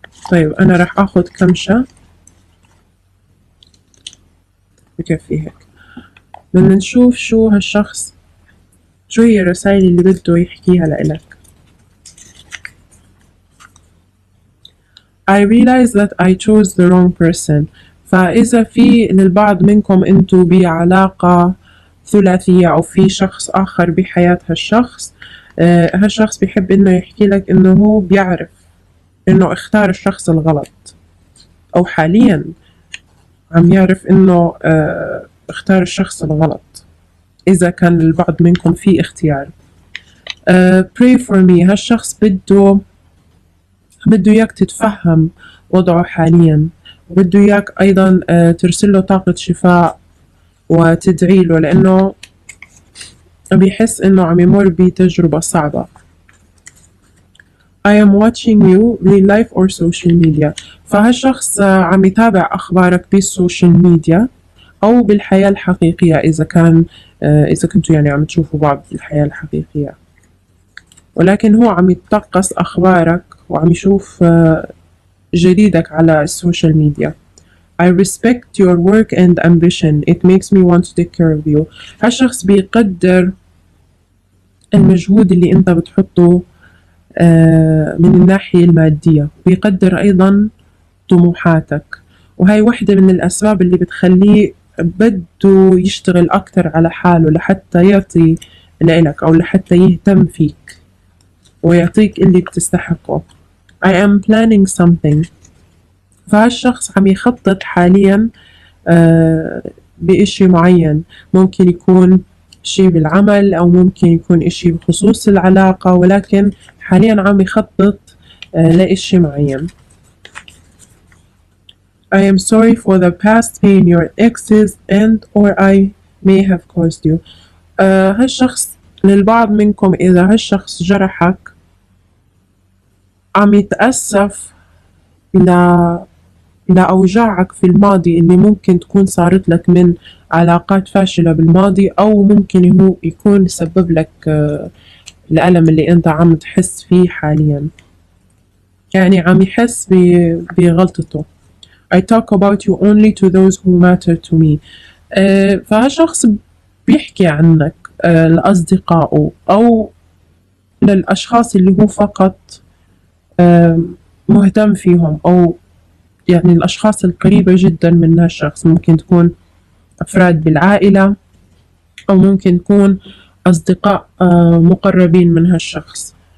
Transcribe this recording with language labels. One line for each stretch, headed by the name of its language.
Arabic: طيب انا راح اخذ كمشة بكفي هيك، بدنا نشوف شو هالشخص، شو هي الرسائل اللي بده يحكيها لإلك.
English: I realize that I chose the wrong person.
Arabic: فإذا في للبعض منكم انتو بعلاقة ثلاثية، او في شخص اخر بحياة هالشخص، هالشخص بيحب انه يحكي لك انه هو بيعرف انه اختار الشخص الغلط، او حاليا عم يعرف انه اختار الشخص الغلط. اذا كان البعض منكم في اختيار،
English: pray for me.
Arabic: هالشخص بده اياك تتفهم وضعه حاليا، بده اياك ايضا ترسل له طاقة شفاء وتدعي له، لانه بيحس انه عم يمر بتجربة صعبة.
English: I am watching you real life or social media.
Arabic: فهالشخص عم يتابع اخبارك بالسوشيال ميديا، أو بالحياة الحقيقية إذا كنتوا يعني عم تشوفوا بعض في الحياة الحقيقية، ولكن هو عم يتقص أخبارك وعم يشوف جديدك على السوشيال ميديا.
English: I respect your work and ambition. It makes me want to take care of you.
Arabic: هالشخص بيقدر المجهود اللي أنت بتحطه من الناحية المادية، بيقدر أيضا طموحاتك، وهي واحدة من الأسباب اللي بتخليه بده يشتغل أكتر على حاله لحتى يعطي لإلك أو لحتى يهتم فيك ويعطيك اللي بتستحقه.
English: I am planning something.
Arabic: فهالشخص عم يخطط حاليا بإشي معين، ممكن يكون شيء بالعمل أو ممكن يكون إشي بخصوص العلاقة، ولكن حاليا عم يخطط لإشي معين.
English: I am sorry for the past pain your exes and or I may have caused you.
Arabic: هالشخص للبعض منكم إذا هالشخص جرحك عم يتأسف لأوجاعك في الماضي اللي ممكن تكون صارت لك من علاقات فاشلة بالماضي، أو ممكن هو يكون سبب لك الألم اللي أنت عم تحس فيه حاليا، يعني عم يحس بغلطته.
English: I talk about you only to those who matter to me.
Arabic: فهالشخص بيحكي عنك لأصدقائه أو للأشخاص اللي هو فقط مهتم فيهم، أو يعني الأشخاص القريبة جدا من هالشخص، ممكن تكون أفراد بالعائلة أو ممكن تكون أصدقاء مقربين من هالشخص.